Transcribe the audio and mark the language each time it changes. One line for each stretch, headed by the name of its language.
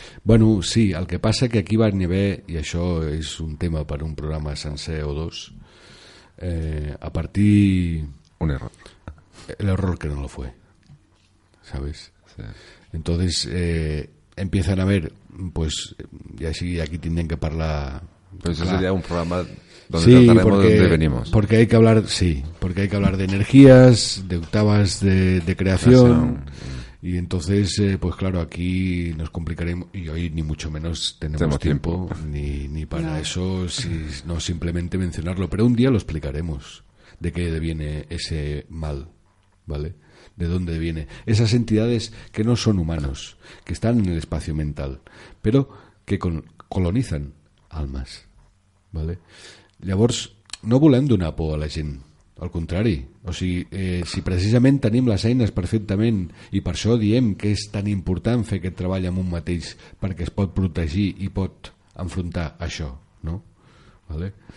Catalan: Bueno, sí, el que passa que aquí va n'hi haver, i això és un tema per un programa sencer o dos...
Spanish: a partir un error, el error que no lo fue, ¿sabes? Sí. Entonces empiezan a ver, pues ya sí, aquí tienen que hablar. Pues eso sería un programa donde sí, trataremos porque, de dónde venimos. Porque hay que hablar, sí, porque hay que hablar de energías, de octavas de creación. Y entonces, pues claro, aquí nos complicaremos, y hoy ni mucho menos tenemos tiempo. Ni para no. Eso, si, no simplemente mencionarlo, pero un día lo explicaremos, de qué viene ese mal, ¿vale? De dónde viene. Esas entidades que no son humanos, que están en el espacio mental, pero que colonizan almas, ¿vale?
Catalan: Llavors, no volem donar por a la gent, Al contrari, o sigui, si precisament tenim les eines perfectament i per això diem que és tan important fer aquest treball amb un mateix perquè es pot protegir i pot enfrontar això, no? Vale?